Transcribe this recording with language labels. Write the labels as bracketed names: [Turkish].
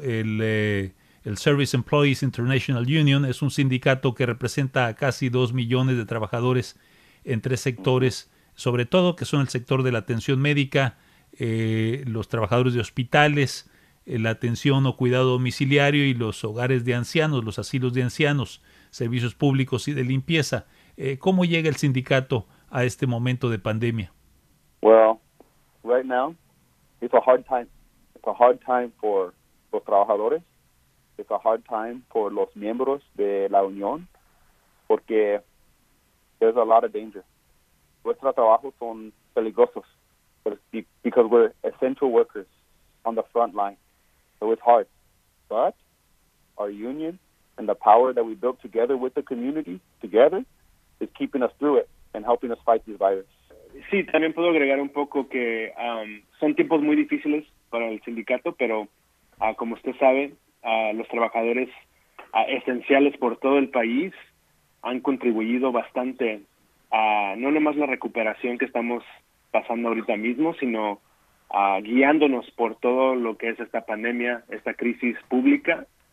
[Spanish] El Service Employees International Union es un sindicato que representa a casi 2 millones de trabajadores en tres sectores, sobre todo que son el sector de la atención médica, los trabajadores de hospitales, la atención o cuidado domiciliario y los hogares de ancianos, los asilos de ancianos, servicios públicos y de limpieza. ¿Cómo llega el sindicato a este momento de pandemia? [English] Well, right now, it's a hard time. It's a hard time for [Spanish] los trabajadores. [English] It's a hard time for [Spanish] los miembros de la Unión, porque [English] there's a lot of danger. [Spanish] Nuestros trabajos son peligrosos, [English] because we're essential workers on the front line. So it's hard. But our union and the power that we built together with the community, together, is keeping us through it and helping us fight this virus. [Spanish] Sí, también puedo agregar un poco que son tiempos muy difíciles para el sindicato, pero como usted sabe, los trabajadores esenciales por todo el país han contribuido bastante a no nomás la recuperación que estamos pasando ahorita mismo, sino guiándonos por todo lo que es esta pandemia, esta crisis pública.